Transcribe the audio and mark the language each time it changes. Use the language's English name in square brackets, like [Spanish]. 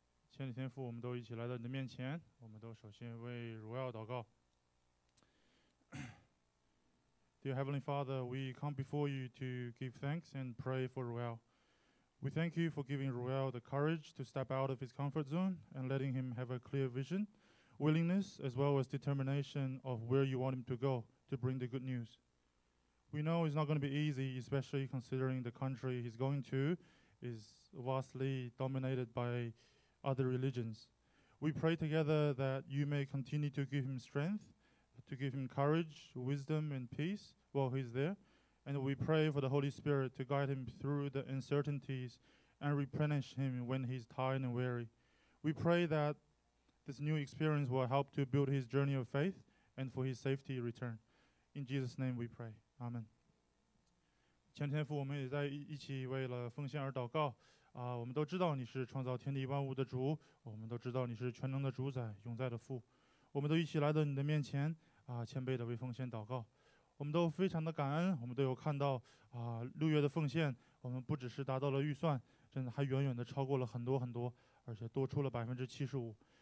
[Chinese] 亲爱的天父，我们都一起来到你的面前，我们都首先为Royal祷告。 [English] Dear Heavenly Father, we come before you to give thanks and pray for Royal. We thank you for giving Royal the courage to step out of his comfort zone and letting him have a clear vision, willingness, as well as determination of where you want him to go to bring the good news. We know it's not going to be easy, especially considering the country he's going to is vastly dominated by other religions. We pray together that you may continue to give him strength, to give him courage, wisdom, and peace while he's there. And we pray for the Holy Spirit to guide him through the uncertainties and replenish him when he's tired and weary. We pray that this new experience will help to build his journey of faith and for his safety return. In Jesus' name we pray. Amen. [Chinese] 前天父，我们也在一起为了奉献而祷告。我们都知道你是创造天地万物的主，我们都知道你是全能的主宰，永在的父。我们都一起来到你的面前，谦卑的为奉献祷告。我们都非常的感恩，我们都有看到六月的奉献，我们不只是达到了预算，真的还远远的超过了很多很多，而且多出了75%。